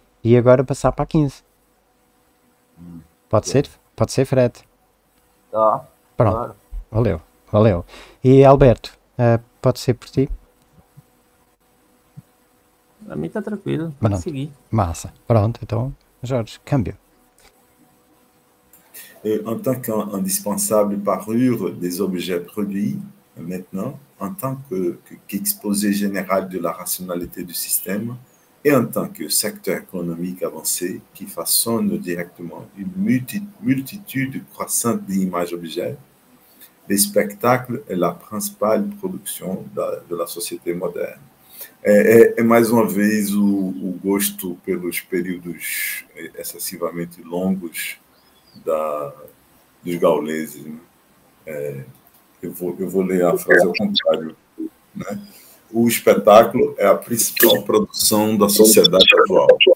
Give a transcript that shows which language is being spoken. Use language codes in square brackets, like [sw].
[pt] E agora passar para a 15. Pode ser? Pode ser, Fred. Tá, Pronto. claro. Valeu. Valeu. E Alberto, pode ser por ti? Para mim está tranquilo, pode Pronto. seguir. Massa. Pronto, então, Jorge, câmbio. [fr] En tant qu'indispensable parure des objets produits, maintenant, en tant qu'exposé général de la rationalité du système et en tant que secteur économique avancé qui façonne directement une multitude croissante d'images-objets, les spectacles sont la principale production de la société moderne. [pt] É mais uma vez o gosto pelos períodos excessivamente longos dos gauleses, né? Eu vou ler a frase ao contrário, né? O espetáculo é a principal produção da sociedade atual.